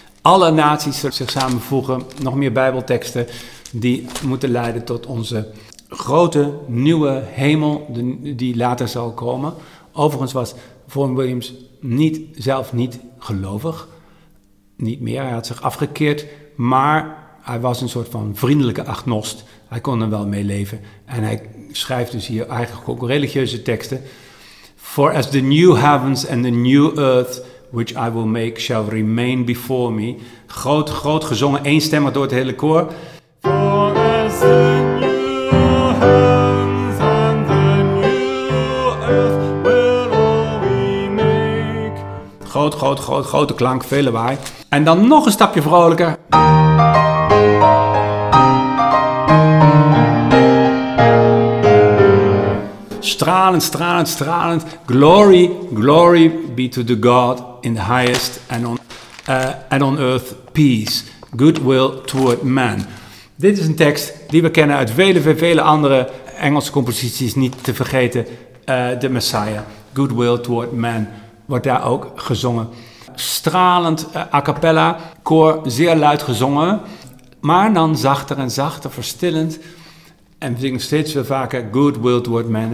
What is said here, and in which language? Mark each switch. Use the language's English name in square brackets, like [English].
[Dutch] Alle naties zullen zich samenvoegen, nog meer bijbelteksten die moeten leiden tot onze grote nieuwe hemel die later zal komen. Overigens was Vaughan Williams niet gelovig, niet meer, hij had zich afgekeerd, maar hij was een soort van vriendelijke agnost. Hij kon er wel mee leven en hij schrijft dus hier eigenlijk ook religieuze teksten. [English] For as the new heavens and the new earth which I will make shall remain before me. [Dutch] Groot, groot gezongen, eenstemmig door het hele koor. [English] For as the new heavens and the new earth will all we make. [Dutch] Groot, groot, groot, grote klank, veel lawaai. En dan nog een stapje vrolijker. Stralend, stralend, stralend. [English] Glory, glory be to the God in the highest and on earth peace. Goodwill toward man. [Dutch] Dit is een tekst die we kennen uit vele, vele, vele andere Engelse composities. Niet te vergeten, de Messiah. [English] Goodwill toward man [Dutch] wordt daar ook gezongen. Stralend a cappella, koor zeer luid gezongen. Maar dan zachter en zachter, verstillend... En we zingen steeds veel vaker Good Will Toward Man.